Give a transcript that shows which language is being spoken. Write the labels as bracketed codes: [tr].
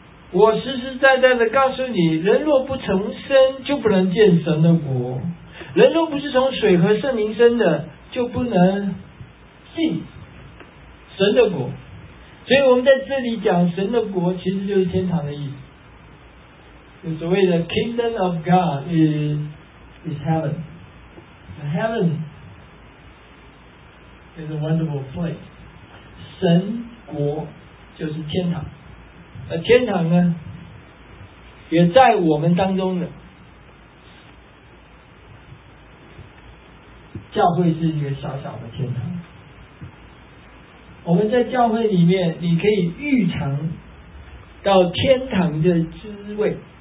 [zh] 我实实在在的告诉你，人若不成圣，就不能见神的国；人若不是从水和圣灵生的，就不能进神的国。所以我们在这里讲神的国其实就是天堂的意思，就所谓的 [en] Kingdom of God is heaven. Heaven is a wonderful place. [zh] 神国就是天堂，而天堂呢也在我们当中的。教会是一个小小的天堂，我们在教会里面你可以预尝到天堂的滋味。